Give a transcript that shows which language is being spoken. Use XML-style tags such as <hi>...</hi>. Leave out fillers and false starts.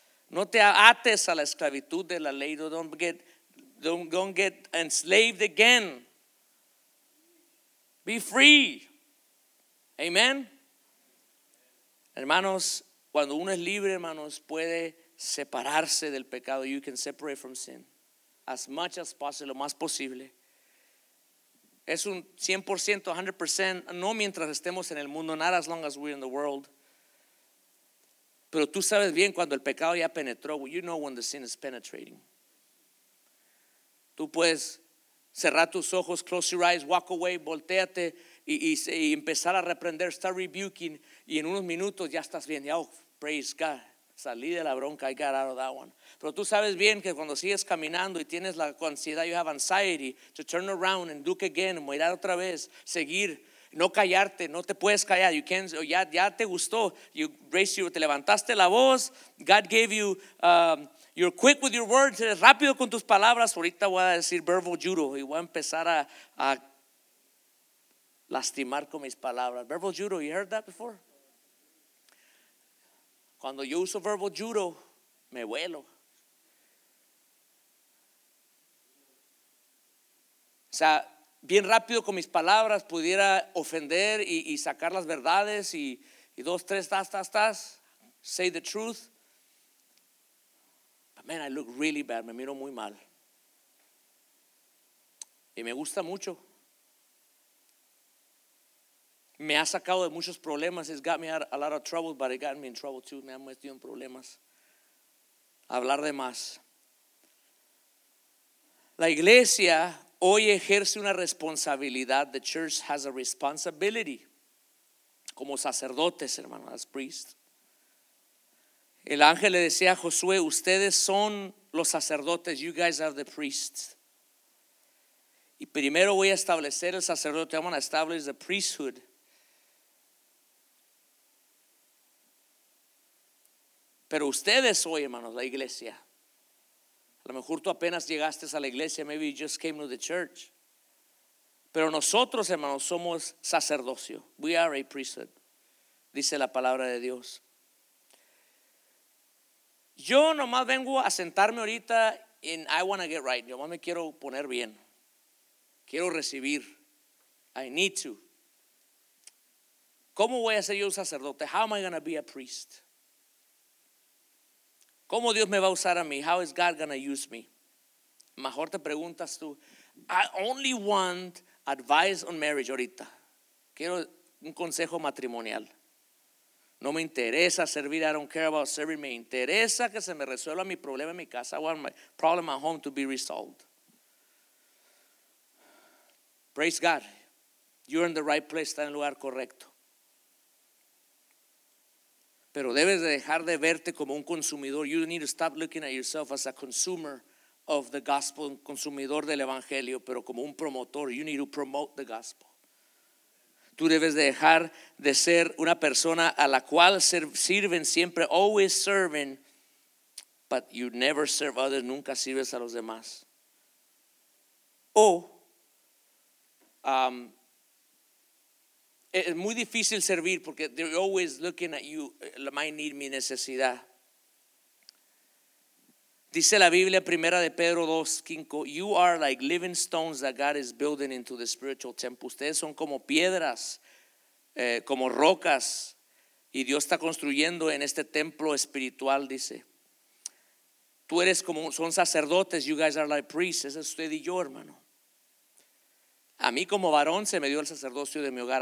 <es>No te ates a la esclavitud de la ley.</es> <en>Don't get enslaved again. Be free.</en> <es>Amen. Hermanos, cuando uno es libre, hermanos, puede separarse del pecado.</es> <en>You can separate from sin as much as possible,</en> <es>lo más posible. Es un 100%, 100%, no mientras estemos en el mundo,</es> <en>not as long as we're in the world.</en> <es>Pero tú sabes bien cuando el pecado ya penetró.</es> <en>Well, you know when the sin is penetrating.</en> <es>Tú puedes cerrar tus ojos,</es> <en>close your eyes, walk away,</en> <es>volteate y empezar a reprender,</es> <en>start rebuking,</en> <es>y en unos minutos ya estás bien.</es> <en>Ya, oh, praise God,</en> <es>salí de la bronca,</es> <en>I got out of that one.</en> <es>Pero tú sabes bien que cuando sigues caminando y tienes la ansiedad,</es> <en>you have anxiety to turn around and look again,</en> <es>mirar otra vez, seguir, no callarte, no te puedes callar.</es> <en>You can't,</en> <es>ya te gustó,</es> <en>you raised your,</en> <es>te levantaste la voz,</es> <en>God gave you, you're quick with your words,</en> <es>eres rápido con tus palabras. Ahorita voy a decir verbal judo y voy a empezar a lastimar con mis palabras.</es> <en>Verbal judo, you heard that before?</en> <es>Cuando yo uso verbal judo, me vuelo. O sea, bien rápido con mis palabras pudiera ofender y sacar las verdades y dos, tres, tas, tas, tas,</es> <en>say the truth. But man, I look really bad,</en> <es>me miro muy mal. Y me gusta mucho. Me ha sacado de muchos problemas.</es> <en>It's got me out a lot of trouble, but it got me in trouble too.</en> <es>Me ha metido en problemas. Hablar de más. La iglesia hoy ejerce una responsabilidad.</es> <en>The church has a responsibility.</en> <es>Como sacerdotes, hermano,</es> <en>as priests.</en> <es>El ángel le decía a Josué, ustedes son los sacerdotes.</es> <en>You guys are the priests.</en> <es>Y primero voy a establecer el sacerdote.</es> <en>I'm going to establish the priesthood.</en> <es>Pero ustedes hoy, hermanos, la iglesia. A lo mejor tú apenas llegaste a la iglesia.</es> <en>Maybe you just came to the church.</en> <es>Pero nosotros, hermanos, somos sacerdocio.</es> <en>We are a priesthood.</en> <es>Dice la palabra de Dios. Yo nomás vengo a sentarme ahorita en</es> <en>I want to get right.</en> <es>Yo nomás me quiero poner bien. Quiero recibir.</es> <en>I need to.</en> <es>¿Cómo voy a ser yo un sacerdote?</es> <en>How am I going to be a priest?</en> <es>¿Cómo Dios me va a usar a mí?</es> <en>How is God going to use me?</en> <es>Mejor te preguntas tú.</es> <en>I only want advice on marriage ahorita.</en> <es>Quiero un consejo matrimonial. No me interesa servir.</es> <en>I don't care about serving.</en> <es>Me interesa que se me resuelva mi problema en mi casa.</es> <en>I want my problem at home to be resolved. Praise God. You're in the right place.</en> <es>Está en el lugar correcto. Pero debes de dejar de verte como un consumidor.</es> <en>You need to stop looking at yourself as a consumer of the gospel,</en> <es>un consumidor del evangelio, pero como un promotor.</es> <en>You need to promote the gospel.</en> <es>Tú debes de dejar de ser una persona a la cual sirven siempre,</es> <en>always serving, but you never serve others,</en> <es>nunca sirves a los demás. O, es muy difícil servir porque</es> <en>they're always looking at you, might need</en> <es>mi necesidad. Dice la Biblia, primera de Pedro</es> <en>2:5, you are like living stones that God is building into the spiritual temple.</en> <es>Ustedes son como piedras, como rocas, y Dios está construyendo en este templo espiritual, dice. Tú eres como, son sacerdotes,</es> <en>you guys are like priests.</en> <es>Ese es usted y yo, hermano. A mí como varón se me dio el sacerdocio de mi hogar.</es>